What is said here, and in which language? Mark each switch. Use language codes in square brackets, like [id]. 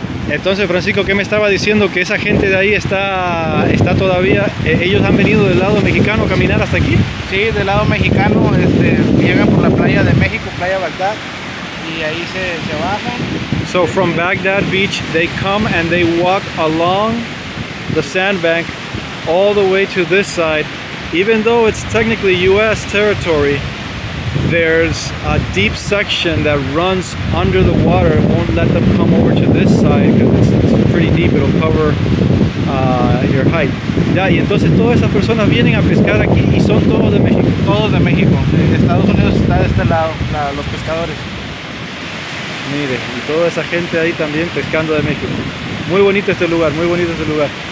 [es] Entonces, Francisco, ¿qué me estaba diciendo? Que esa gente de ahí está todavía... ¿Ellos han venido del lado mexicano a caminar hasta aquí? Sí, del lado mexicano. Llegan por la playa de México, Playa Baghdad. Y ahí se bajan. [en] So from Baghdad Beach, they come and they walk along the sandbank all the way to this side. Even though it's technically U.S. territory, there's a deep section that runs under the water. It won't let them come over to this side because it's pretty deep. It'll cover your height. [es] Yeah, y entonces todas esas personas vienen a pescar aquí y son todos de México. Todos de México. Estados Unidos está de este lado, los pescadores. Mire, y toda esa gente ahí también pescando de México. Muy bonito este lugar, muy bonito este lugar.